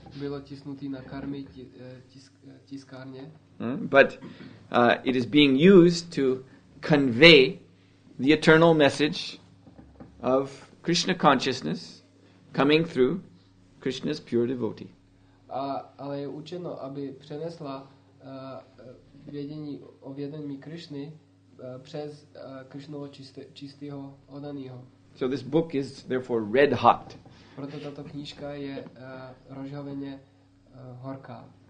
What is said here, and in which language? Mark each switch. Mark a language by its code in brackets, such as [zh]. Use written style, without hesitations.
[cs] Bylo tisknutý na karmi tiskárně. [en] But it is being used to convey the eternal message of Krishna consciousness coming through Krishna's pure devotee. [cs] Ale je učeno, aby přenesla vědění o vědomí Krishny přes Krishnovo čistého oddaného. [en] So this book is therefore red hot. [cs] Proto tato knížka je rozhaveně horká.